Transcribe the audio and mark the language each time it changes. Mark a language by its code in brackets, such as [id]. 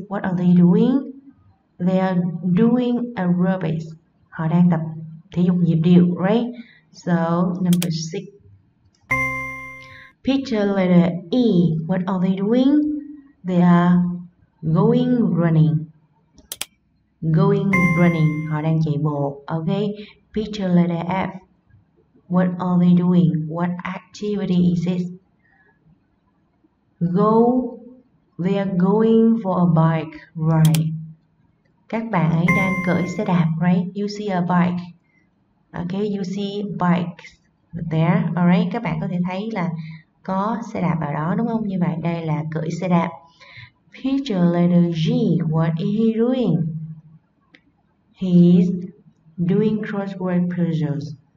[en] What are they doing? They are doing aerobics, [vi] họ đang tập thể dục nhịp điệu. [en] Right, so number 6. Picture letter E, what are they doing? They are going running. Going running, [vi] họ đang chạy bộ. [en] Okay, picture letter F, what are they doing? What activity is this? Go, they are going for a bike ride. [vi] Các bạn ấy đang cưỡi xe đạp, [en] right? You see a bike. Okay, you see bikes there. [vi] Alright, các bạn có thể thấy là có xe đạp ở đó đúng không? Như vậy đây là cưỡi xe đạp. [en] Picture letter G, what is he doing? He is doing crossword puzzles.